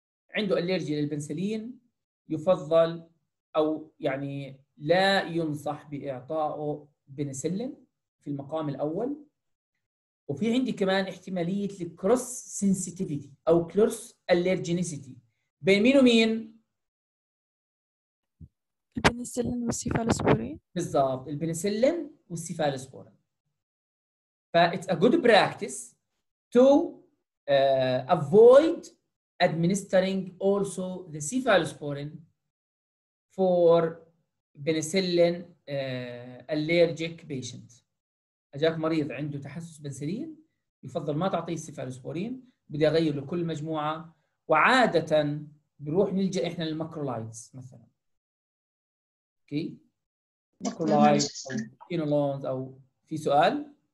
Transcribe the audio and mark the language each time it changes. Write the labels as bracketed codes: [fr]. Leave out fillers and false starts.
[ar] عنده اليرجي للبنسلين يفضل او يعني لا ينصح باعطائه بنسلين في المقام الاول. وفي عندي كمان احتماليه الكروس سنسيتيفيتي او كروس اليرجينيسيتي بين مين ومين؟ البنسلين والسيفالوسبورين. بالضبط البنسلين والسيفالوسبورين. [en] فا it's a good practice to avoid administering also the cephalosporin for penicillin allergic patient. [ar] أجاك مريض عنده تحسس بنسلين يفضل ما تعطيه السيفالوسبورين، بدي أغير له كل مجموعة. وعادة بروح نلجأ إحنا للماكرولايدز مثلا. أوكي ماكرولايدز كينولونز أو في سؤال؟